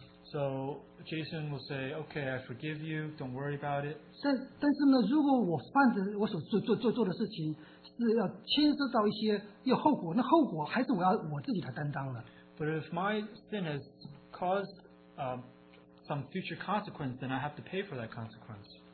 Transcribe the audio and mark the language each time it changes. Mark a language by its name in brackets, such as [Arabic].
[English] So Jason will say, okay, I forgive you, don't worry about it. [Chinese] 但是呢,如果我犯的,我所做的事情是要牵涉到一些后果,那后果还是我自己来担当了。But [English] if my sin has caused some future consequence, then I have to pay for that consequence.